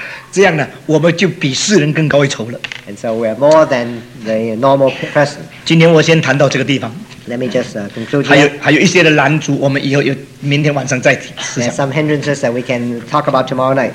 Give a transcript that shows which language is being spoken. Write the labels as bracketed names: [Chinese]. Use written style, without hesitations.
[Chinese] 这样呢, 我们就比世人更高一筹了。 [English] And so we are more than the normal person. [Chinese] 今天我先谈到这个地方。 [English] Let me just conclude. [Chinese] 还有一些的拦阻, 我们以后明天晚上再提。 [English] There are some hindrances that we can talk about tomorrow night.